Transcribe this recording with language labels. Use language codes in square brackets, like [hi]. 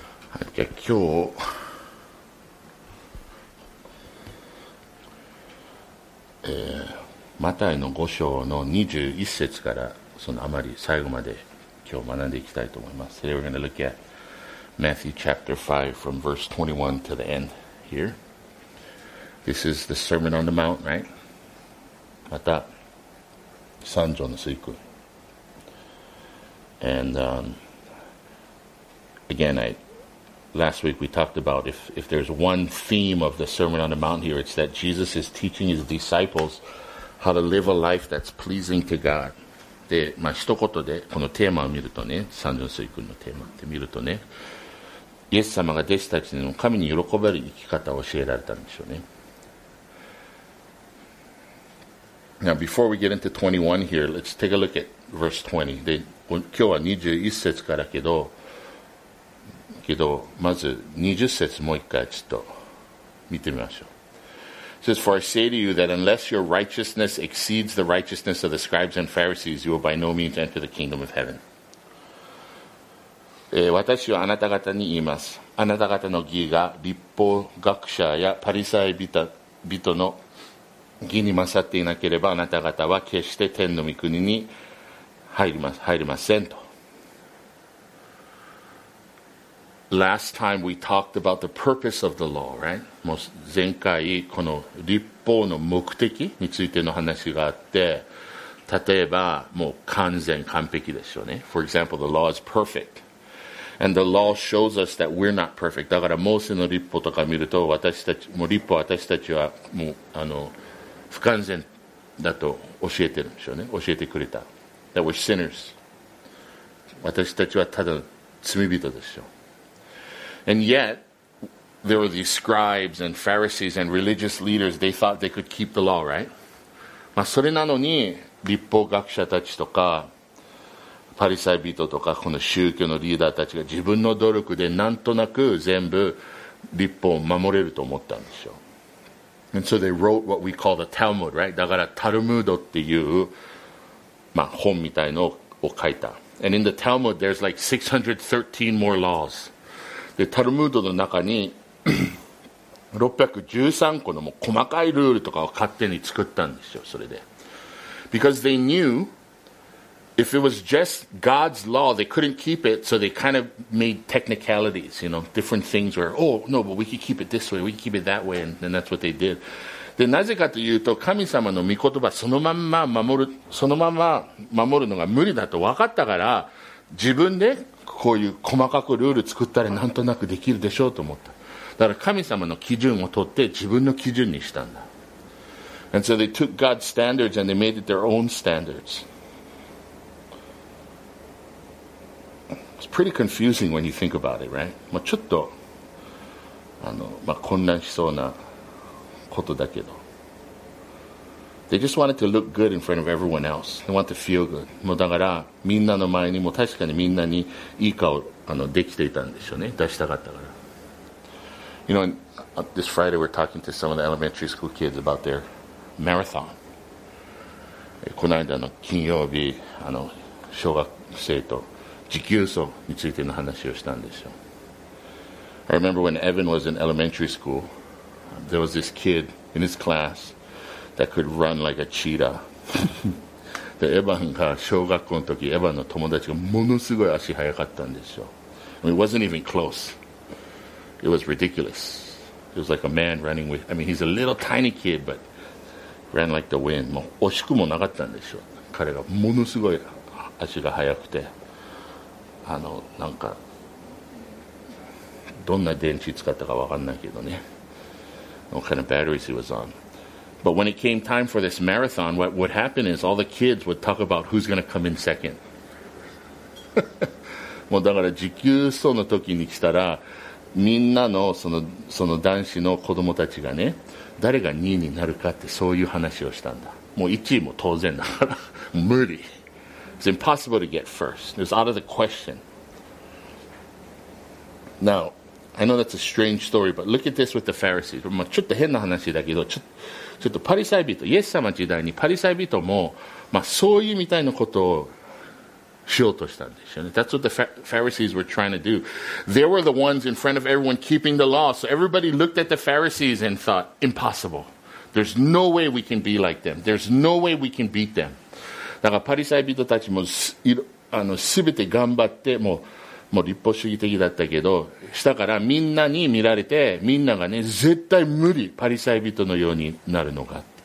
[ja] はい、じゃあ今日、マタイの5章の21節からそのあまり最後まで今日学んでいきたいと思います。 [en] Today we're going to look at Matthew chapter 5 from verse 21 to the end here. This is the Sermon on the Mount, right? [ja] また山上の水訓。 [en] AndAgain, last week we talked about if there's one theme of the Sermon on the Mount here, it's that Jesus is teaching his disciples how to live a life that's pleasing to God. [ja] で、まあ、一言でこのテーマを見るとね、三条水君のテーマって見るとね、イエス様が弟子たちにも神に喜べる生き方を教えられたんでしょうね。 [en] Now, before we get into 21 here, let's take a look at verse 20. [ja] で、今日は21節からけど、まず20節もう一回ちょっと見てみましょう。 [en] It says, For I say to you that unless your righteousness exceeds the righteousness of the scribes and Pharisees, you will by no means enter the kingdom of heaven. [ja] 私はあなた方に言います。あなた方の義が律法学者やパリサイ人の義に勝っていなければ、あなた方は決して天の御国に入りませんと。 [en] Last time we talked about the purpose of the law, right? [ja] もう前回この律法の目的についての話があって、例えばもう完全完璧でしょうね。 [en] For example, the law is perfect. And the law shows us that we're not perfect. [ja] だからモーセの律法とか見ると私たち、もう律法私たちはもう不完全だと教えてるんでしょうね。教えてくれた。 [en] That we're sinners. [ja] 私たちはただ罪人でしょう。 [en] And yet, there were these scribes and Pharisees and religious leaders, they thought they could keep the law, right? [ja] まあ、それなのに、律法学者たちとか、パリサイ人とか、この宗教のリーダーたちが自分の努力でなんとなく全部律法を守れると思ったんでしょう。 [en] And so they wrote what we call the Talmud, right? [ja] だから、タルムードっていう、まあ、本みたいのを書いた。 [en] And in the Talmud, there's like 613 more laws. [ja] でタルムードの中に613個のもう細かいルールとかを勝手に作ったんですよ、それで。 [en] Because they knew if it was just God's law, they couldn't keep it, so they kind of made technicalities, you know, different things where, oh, no, but we could keep it this way, we could keep it that way, and then that's what they did. [ja] で、なぜかというと、神様の御言葉そのまま守るのが無理だと分かったから、自分でこういう細かくルール作ったらなんとなくできるでしょうと思った。だから神様の基準を取って自分の基準にしたんだ。 [en] And so they took God's standards and they made it their own standards. It's pretty confusing when you think about it, right? [ja] まあちょっと、まあ混乱しそうなことだけど。 [en] They just wanted to look good in front of everyone else. They want to feel good. [ja] もうだからみんなの前にも確かにみんなにいい顔できていたんでしょうね。出したかったから。 [en] You know, this Friday we're talking to some of the elementary school kids about their marathon. [ja] この間の金曜日、小学生と持久走についての話をしたんですよ。 [en] I remember when Evan was in elementary school, there was this kid in his class. That could run like a cheetah. [ja] で、エヴァンが小学校の時、エヴァンの友達がものすごい足速かったんですよ。 [en] I mean, it wasn't even close. It was ridiculous. It was like a man running with... I mean, he's a little tiny kid, but ran like the wind. [ja] もう惜しくもなかったんですよ。彼がものすごい足が速くて、なんか、どんな電池使ったかわかんないけどね。 [en] What kind of batteries he was on? But when it came time for this marathon, what would happen is all the kids would talk about who's going to come in second. [ja] もうだから持久走の時に来たら、みんなのその男子の子供たちがね、誰が2位になるかってそういう話をしたんだ。もう1位も当然だから。無理。 [en] It's impossible to get first. It's out of the question. Now, I know that's a strange story, but look at this with the Pharisees. [ja] まあちょっと変な話だけど、ちょっとパリサイ人、イエス様時代にパリサイ人も、まあ、そういうみたいなことをしようとしたんですよね。 [en] That's what the Pharisees were trying to do. They were the ones in front of everyone keeping the law. So everybody looked at the Pharisees and thought, impossible. There's no way we can be like them. There's no way we can beat them. [ja] だからパリサイ人たちもすべて頑張って、もう立法主義的だったけど、したからみんなに見られて、みんながね、絶対無理、パリサイ人のようになるのか。